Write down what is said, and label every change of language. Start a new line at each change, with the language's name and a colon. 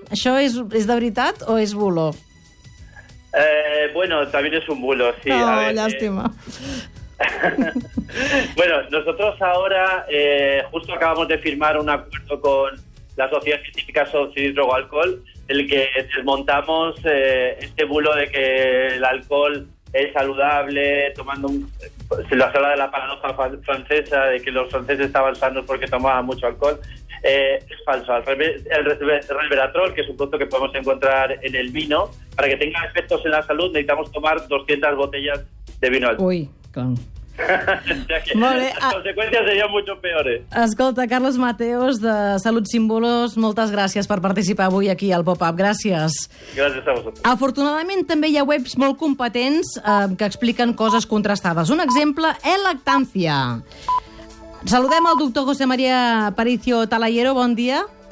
Catalan: ¿Això és de veritat o és bulo?
Spanish: Bueno, también es un bulo, sí. Oh, a ver, lástima. Bueno, nosotros ahora justo acabamos de firmar un acuerdo con la Sociedad Científica sobre Hidroalcohol, en el que desmontamos este bulo de que el alcohol es saludable, tomando se lo habla de la paradoja francesa, de que los franceses estaban sanos porque tomaban mucho alcohol. Es falso. El resveratrol, que es un producto que podemos encontrar en el vino, para que tenga efectos en la salud necesitamos tomar 200 botellas de vino al día. Uy, con...
Catalan: Molt bé.
Spanish: Las consecuencias serían mucho peores.
Catalan: Escolta, Carlos Mateos, de Salut Sin Bulos, moltes gràcies per participar avui aquí al Pop-Up. Gràcies. Gràcies a vosaltres. Afortunadament, també hi ha webs molt competents que expliquen coses contrastades. Un exemple, e-lactància. Saludem el doctor José María Paricio Talayero. Bon dia.